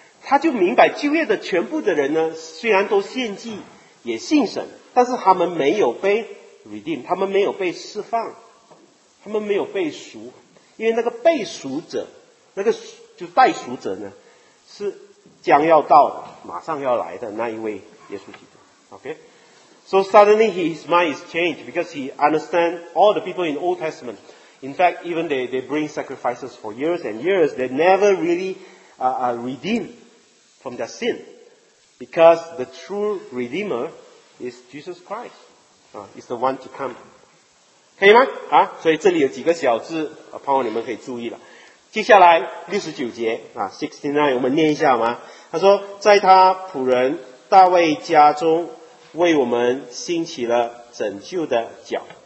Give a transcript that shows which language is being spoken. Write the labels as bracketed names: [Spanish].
[Chinese] 他就明白旧约的全部的人呢，虽然都献祭也信神，但是他们没有被 redeem， 他们没有被释放，他们没有被赎，因为那个被赎者，那个就代赎者呢，是将要到的，马上要来的那一位耶稣基督。 [English] OK， So suddenly his mind is changed because he understand all the people in the Old Testament. In fact, even they bring sacrifices for years and years, they never reallyredeemed from their sin, because the true redeemer is Jesus Christ, is the one to come. [Chinese] 可以吗？啊，所以这里有几个小字，盼望你们可以注意了。接下来69节啊 ，69， 我们念一下吗？他说，在他仆人大卫家中，为我们兴起了拯救的脚。